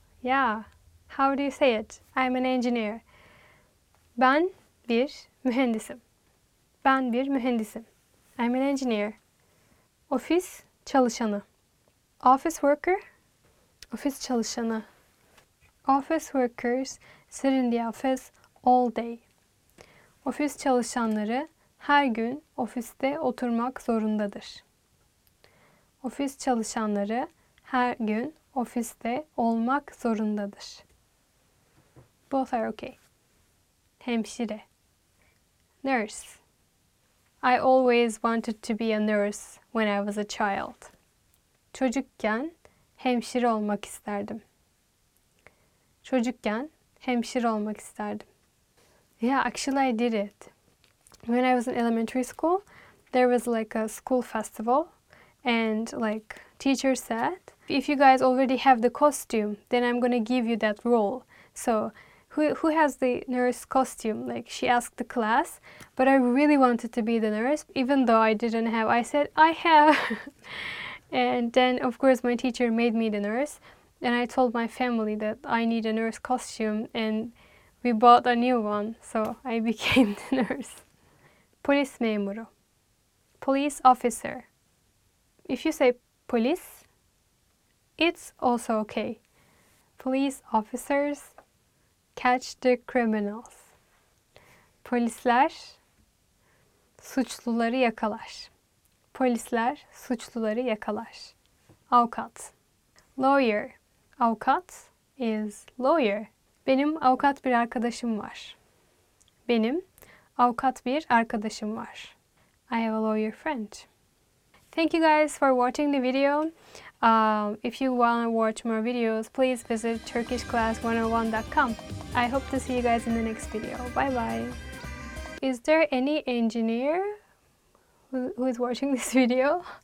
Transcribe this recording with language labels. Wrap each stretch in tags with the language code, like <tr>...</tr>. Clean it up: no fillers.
<en>Yeah. How do you say it? I'm an engineer.</en> <tr>Ben bir mühendisim. Ben bir mühendisim.</tr> <en>I'm an engineer.</en> <tr>Ofis çalışanı.</tr> <en>Office worker.</en> <tr>Ofis çalışanı.</tr> <en>Office workers sit in the office all day.</en> <tr>Ofis çalışanları her gün ofiste oturmak zorundadır. Ofis çalışanları her gün ofiste olmak zorundadır.</tr> <en>Both are okay. Hemşire. Nurse. I always wanted to be a nurse when I was a child.</en> <tr>Çocukken hemşire olmak isterdim. Çocukken hemşire olmak isterdim.</tr> <en>Yeah, actually I did it. When I was in elementary school, there was like a school festival and like teacher said, if you guys already have the costume, then I'm gonna give you that role. So Who has the nurse costume? Like, she asked the class, but I really wanted to be the nurse, even though I didn't have. I said, I have. And then, of course, my teacher made me the nurse, and I told my family that I need a nurse costume, and we bought a new one, so I became the nurse.</en> <tr>Polis memuru.</tr> <en>Police officer. If you say police, it's also okay. Police officers catch the criminals.</en> <tr>Polisler suçluları yakalar. Polisler suçluları yakalar. Avukat. Lawyer. Avukat</tr> <en>is lawyer.</en> <tr>Benim avukat bir arkadaşım var. Benim avukat bir arkadaşım var.</tr> <en>I have a lawyer friend. Thank you guys for watching the video. If you want to watch more videos, please visit turkishclass101.com. I hope to see you guys in the next video. Bye bye. Is there any engineer who is watching this video?</en>